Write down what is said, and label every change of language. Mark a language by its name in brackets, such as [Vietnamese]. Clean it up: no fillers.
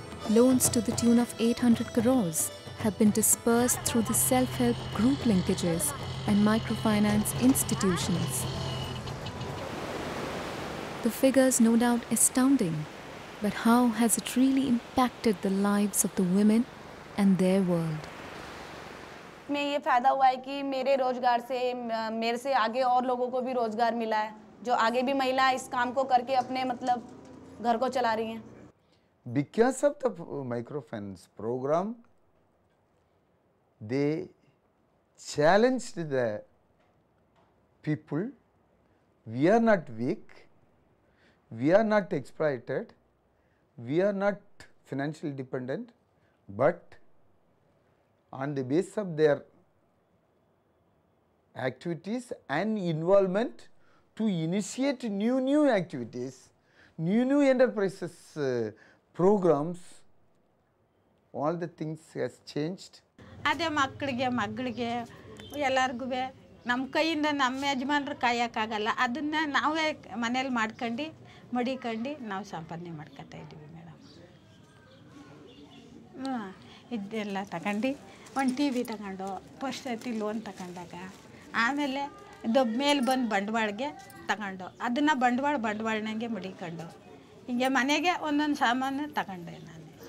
[English] Loans to the tune of 800 crores have been disbursed through the self-help group linkages and microfinance institutions. The figures no doubt astounding, but how has it really impacted the lives of the women and their world? [Hindi] मैं ये फायदा हुआ है कि मेरे रोजगार से मेरे से आगे और लोगों को भी रोजगार मिला है जो आगे भी महिला इस काम को करके अपने मतलब घर को चला रही हैं। [English] Because of the microfinance program they challenged the people, we are not weak, we are not exploited, we are not financial dependent, but on the base of their activities and involvement to initiate new activities, new enterprises, programs, all the things has changed. [Kannada] ಅದೇ ಮಕ್ಕಳಿಗೆ ಮಗಳಿಗೆ ಎಲ್ಲರಿಗೂ ನಮ್ಮ ಕೈಯಿಂದ ನಮ್ಮ ಯಜಮಾನರು ಕಾಯಕ್ಕಾಗಲ್ಲ, ಅದನ್ನ ನಾವೇ ಮನೆಯಲ್ಲಿ ಮಾಡ್ಕೊಂಡು ಮಡಿಕೊಂಡು ನಾವು ಸಂಪಾದನೆ ಮಾಡ್ಕೊತಾ ಇದ್ದೀವಿ ಮೇಡಮ್. ಇದೆಲ್ಲ ತಗೊಂಡು ಒಂದು ಟಿ ವಿ ತಗೊಂಡು ಫಸ್ಟ್ ಸತಿ ಲೋನ್ ತಗೊಂಡಾಗ ಆಮೇಲೆ ಇದು ಮೇಲೆ ಬಂದು ಬಂಡವಾಳಿಗೆ ತಗೊಂಡು ಅದನ್ನು ಬಂಡವಾಳನಂಗೆ ಮಡಿಕೊಂಡು ಹಿಂಗೆ ಮನೆಗೆ ಒಂದೊಂದು ಸಾಮಾನು ತಗೊಂಡೆ ನಾನು.